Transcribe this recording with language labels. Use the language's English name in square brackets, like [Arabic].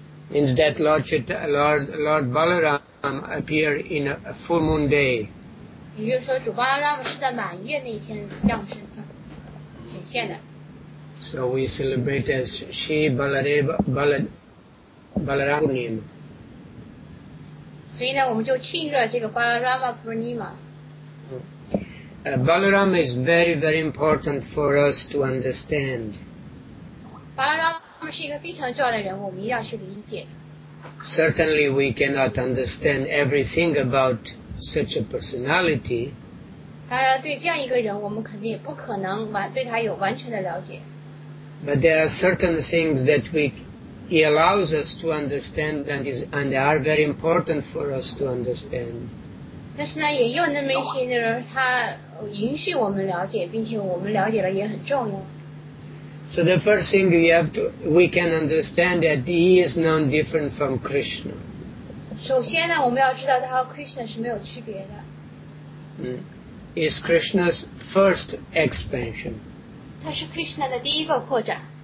[English] Means that Lord Balarama appeared in a full moon day. [Chinese] 也就是说主巴拉拉玛是在满月那一天降生的显现的。 [English] So we celebrate as Sri Balarama Purnima。 [Chinese] 所以呢我们就庆祝了这个巴拉拉玛普尼玛。 [English] Balarama is very very important for us to understand。 [Chinese] 巴拉拉玛是一个非常重要的人物，我们一定要去理解。 [English] Certainly we cannot understand everything aboutsuch a personality。 [Chinese] 当然对这样一个人我们肯定也不可能对他有完全的了解。 [English] But there are certain things that he allows us to understand and they are very important for us to understand。 [Chinese] 但是呢也有那么一些内容他允许我们了解，并且我们了解了也很重要。 [English] So the first thing we can understand that he is none different from Krishna。 [Chinese] 首先呢我们要知道他和 Krishna 是没有区别的。 [English] Is Krishna's first expansion。 [Chinese] 他是 Krishna 的第一个扩展。